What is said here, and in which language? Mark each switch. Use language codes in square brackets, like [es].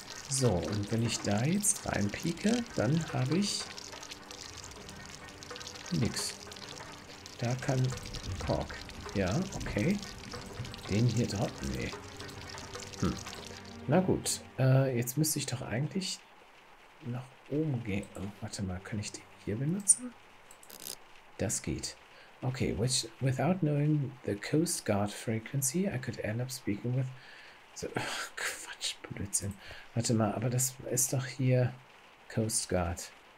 [de] So, und wenn ich da jetzt reinpieke, dann habe ich nix. Da kann Kork. Ja, okay. Den hier dort? Nee. Hm. Na gut. Jetzt müsste ich doch eigentlich nach oben gehen. Oh, warte mal, kann ich den hier benutzen? Das geht. [en] Okay, which, without knowing the Coast Guard frequency, I could end up speaking with... [de] So, ach, Quatsch, Blödsinn. Warte mal, aber das ist doch hier Coast Guard.